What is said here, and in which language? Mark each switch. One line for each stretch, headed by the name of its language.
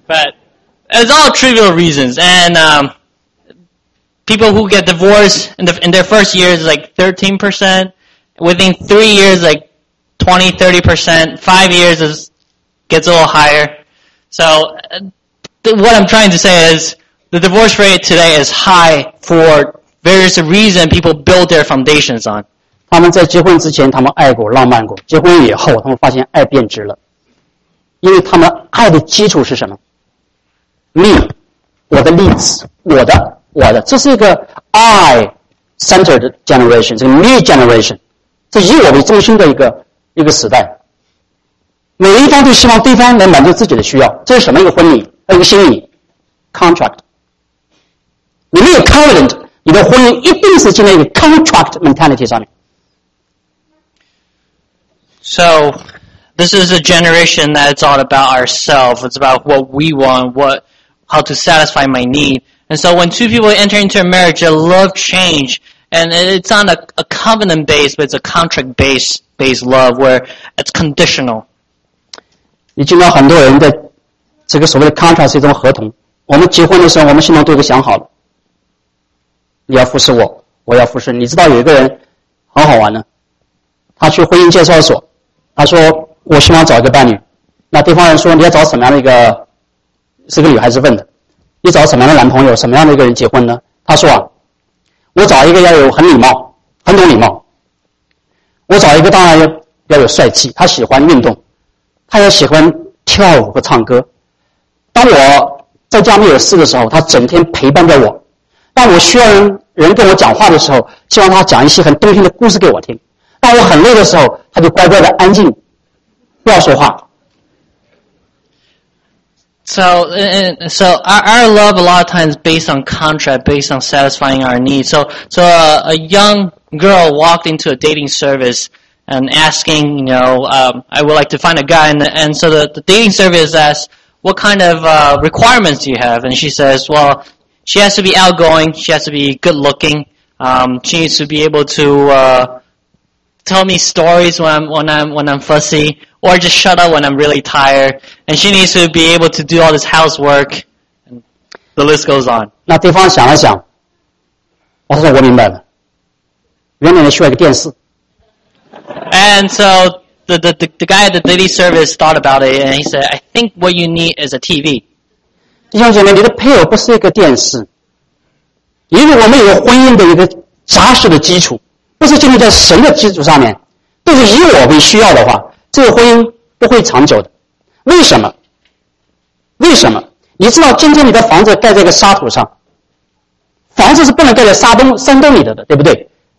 English: But it's all trivial reasons, and people who get divorced in their first year is like 13%, within 3 years, like 20-30%, 5 years gets a little higher. So what I'm trying to say is the divorce rate today is high for various reasons people build their foundations on.
Chinese: 他们在结婚之前他们爱过浪漫过，结婚以后他们发现爱变质了，因为他们爱的基础是什么？
English: Me，
Chinese: 我的例子，我的，这是一个
English: I centered generation，
Chinese: 这个
English: me generation，
Chinese: 这以我为中心的一个时代，每一方都希望对方能满足自己的需要，这是什么一个婚礼？一个心理 contract。你没有 covenant， 你的婚姻一定是建立一个
English: contract mentality
Chinese: 上面。
English: So, this is a generation that's all about ourselves. It's about what we want, how to satisfy my need. And so, when two people enter into a marriage, they love change, and it's not a covenant base, but it's a contract base. Based love, where it's conditional.
Chinese: 你见到很多人的这个所谓的 contract 是一种合同。我们结婚的时候，我们心中都有想好了，你要服侍我，我要服侍你。知道有一个人很好玩的，他去婚姻介绍所，他说我希望找一个伴侣。那对方人说你要找什么样的一个？是个女孩子问的，你找什么样的男朋友，什么样的一个人结婚呢？他说啊，我找一个要有很礼貌，很懂礼貌。我找一个当然要有帅气，他喜欢运动，他也喜欢跳舞和唱歌。当我在家没有事的时候，他整天陪伴着我。当我需要人跟我讲话的时候，希望他讲一些很动听的故事给我听。当我很累的时候，他就乖乖的安静，不要说话。
English: So our love a lot of times based on contract, based on satisfying our needs. So a young girl walked into a dating service and asking, you know, I would like to find a guy. And so the dating service asks, what kind of requirements do you have? And she says, well, she has to be outgoing. She has to be good looking. She needs to be able to tell me stories when I'm fussy, or just shut up when I'm really tired. And she needs to be able to do all this housework. And the list goes on.
Chinese: 那对方想了想，我说我明白了。原来你需要一个电视。
English: And so the guy at the daily service thought about it and he said, I think what you need is a TV.
Chinese: 弟兄姐妹，你的配偶不是一个电视。因为我们有婚姻的一个扎实的基础，不是建立在神的基础上面，都是以我为需要的话，这个婚姻不会长久的。为什么？为什么？你知道今天你的房子盖在一个沙土上，房子是不能盖在山洞里的，对不对？